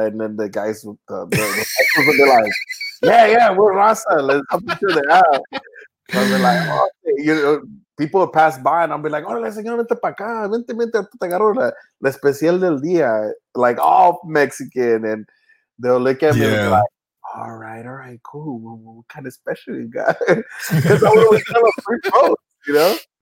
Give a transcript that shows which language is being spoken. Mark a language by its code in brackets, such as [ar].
[en] And then the guys would be like, yeah, we're raza. Let's help each other out. And they're like, people would pass by and I'd be like, [es] órale, señor, vente pa' acá. Vente, te agarro la especial del día. [en] Like, all Mexican. And they'll look at me and be like, All right, cool. Well, what kind of special you got? Because I would always have a free post, you know?